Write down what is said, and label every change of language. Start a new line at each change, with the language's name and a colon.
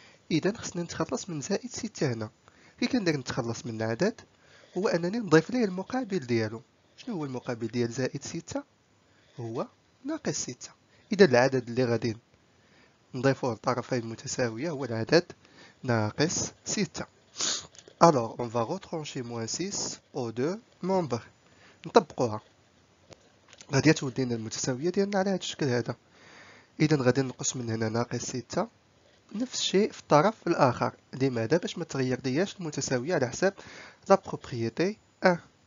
Arabic: إذا خصنا نتخلص من زائد 6 هنا. كي كندير نتخلص من العدد هو أنني نضيف ليه المقابل ديالو. شنو هو المقابل ديال زائد 6؟ هو ناقص 6. إذا العدد اللي غادي نضيفو الطرفين متساوية هو العدد ناقص 6.
French: alors on va retrancher moins 6 aux deux membres.
Arabic: نطبقوها، غادي تولي لنا المتساوية ديالنا على هذا الشكل هذا. اذا غادي نقص من هنا ناقص 6، نفس الشيء في الطرف الاخر. لماذا؟ باش ما تغير لياش المتساوية على حساب
French: لا بروبريتي
Arabic: 1.